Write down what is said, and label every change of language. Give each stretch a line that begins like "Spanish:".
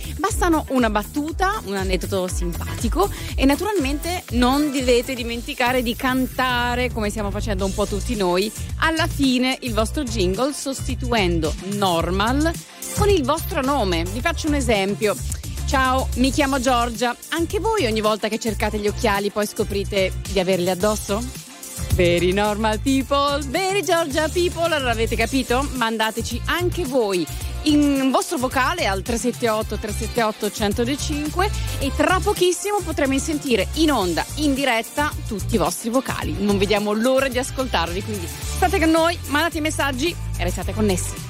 Italian: Bastano una battuta, un aneddoto simpatico e naturalmente non dovete dimenticare di cantare, come stiamo facendo un po' tutti noi, alla fine il vostro jingle sostituendo normal con il vostro nome. Vi faccio un esempio. Ciao, mi chiamo Giorgia. Anche voi ogni volta che cercate gli occhiali poi scoprite di averli addosso?
English: Very normal people, very Giorgia people.
Italian: Allora avete capito? Mandateci anche voi in vostro vocale al 378-378-105 e tra pochissimo potremo sentire in onda, in diretta, tutti i vostri vocali. Non vediamo l'ora di ascoltarvi, quindi state con noi, mandate i messaggi e restate connessi.